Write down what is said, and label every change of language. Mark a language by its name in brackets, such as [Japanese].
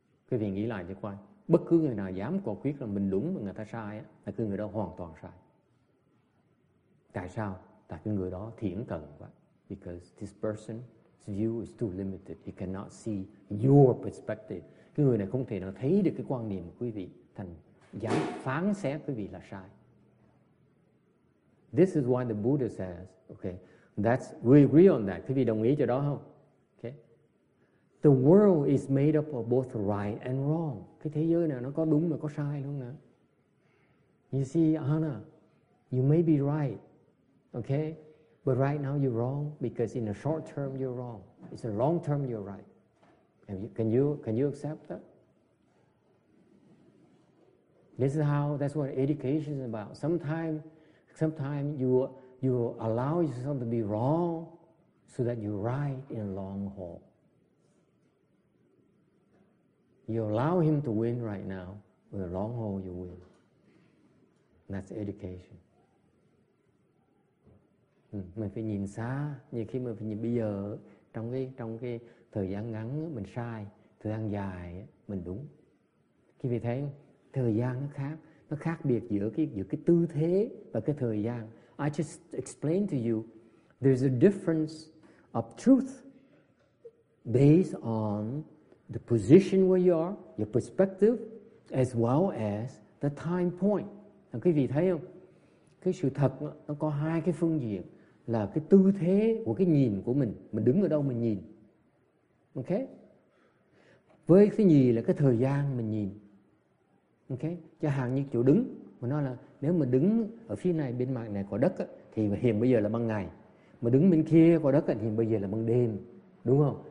[Vietnamese] Quý vị nghĩ lại cho coi. Bất cứ người nào dám quả quyết là mình đúng mà người ta sai, là cái người đó hoàn toàn sai. Tại sao? Tại cái người đó thiển cận quá. [English] Because this person's view is too limited. He cannot see your perspective. [Vietnamese] Cái người này không thể nào thấy được cái quan điểm của quý vị, thành dám phán xét quý vị là sai. [English] This is why the Buddha says, okay, that's, we agree on that. [Vietnamese] Quý vị đồng ý cho đó không? [English] Okay. The world is made up of both right and wrong. [Vietnamese] Cái thế giới này nó có đúng mà có sai luôn nè. [English] You see, Anna, you may be right, okay? But right now you're wrong because in the short term you're wrong. It's a long term you're right. Can you accept that? That's what education is about. Sometimes you allow yourself to be wrong so that you're right in the long haul. You allow him to win right now, in the long haul you win. That's education. [Vietnamese] Mình phải nhìn xa, như khi mình phải nhìn bây giờ, trong cái thời gian ngắn mình sai, thời gian dài mình đúng. Khi vì thế, thời gian nó khác. Nó khác biệt giữa cái tư thế và cái thời gian. [English] I just explained to you, there's a difference of truth based on the position where you are, your perspective, as well as the time point. [Vietnamese] Và quý vị thấy không? Cái sự thật nó có hai cái phương diện là cái tư thế của cái nhìn của mình. Mình đứng ở đâu mình nhìn. Ok? Với cái gì là cái thời gian mình nhìn. Ok, cho hàng như chỗ đứng, mình nói là nếu mà đứng ở phía này bên mặt này của đất á, thì hiện bây giờ là ban ngày, mà đứng bên kia của đất á, thì bây giờ là ban đêm, đúng không?